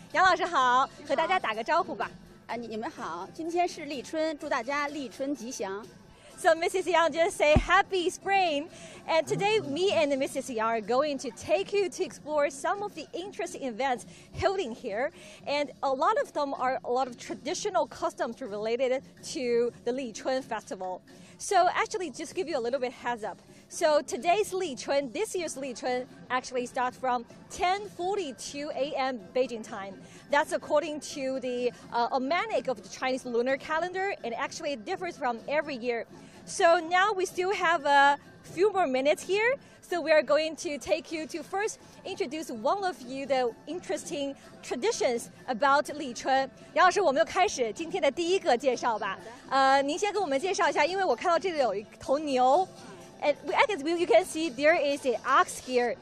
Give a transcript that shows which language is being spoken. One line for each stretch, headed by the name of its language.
Chinese: 杨老师好，和大家打个招呼吧。啊，你们好，今天是立春，祝大家立春吉祥。So
English: Mrs. Yang just say happy spring. And today me and Mrs. Yang are going to take you to explore some of the interesting events held in here. And a lot of them are a lot of traditional customs related to the Lichun festival. So actually, just give you a little bit heads up. So today's Lichun, this year's Lichun, actually starts from 10:42 a.m. Beijing time. That's according to the almanac of the Chinese lunar calendar, and actually it differs from every year. So now we still have a few more minutes here. So we are going to take you to first introduce one of you the interesting traditions about Lichun.
Chinese: 杨老师，我们又开始今天的第一个介绍吧。您先给我们介绍一下，因为我看到这里有一头牛。
English: And you can see there is an ox here.